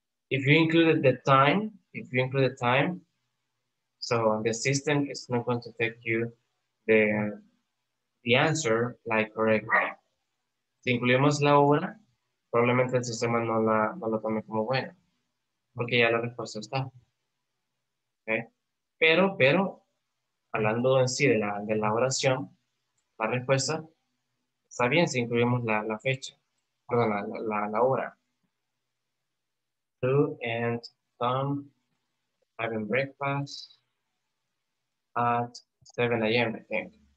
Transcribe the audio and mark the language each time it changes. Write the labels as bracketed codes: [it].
[en] If you included the time, so the system is not going to take you the answer like correctly. [es] Si incluimos la hora, probablemente el sistema no lo tome como buena, porque ya la respuesta está. Okay? Pero, hablando en sí de la oración, la respuesta está bien si incluimos la fecha, perdón, la hora. [en] Sue and Tom having breakfast at 7 a.m., I think.